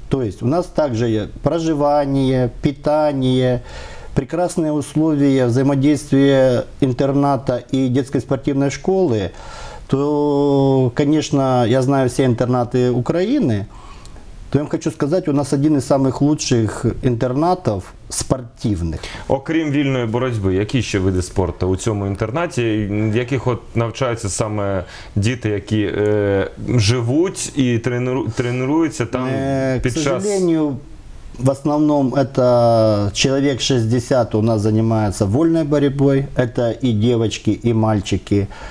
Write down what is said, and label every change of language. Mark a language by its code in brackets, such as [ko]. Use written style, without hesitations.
[ru] То есть у нас также проживание, питание, прекрасные условия взаимодействия интерната и детской спортивной школы. То, конечно, я знаю все интернаты Украины, то я хочу сказать, у нас один из самых лучших интернатов спортивных. [uk] Окрім вільної боротьби, які ще види спорту у цьому інтернаті, в яких от навчаються саме діти, які живуть і тренуються там під час? [ru] К сожалению, в основном это человек 60 у нас занимается вольной борьбой, это и девочки, и мальчики.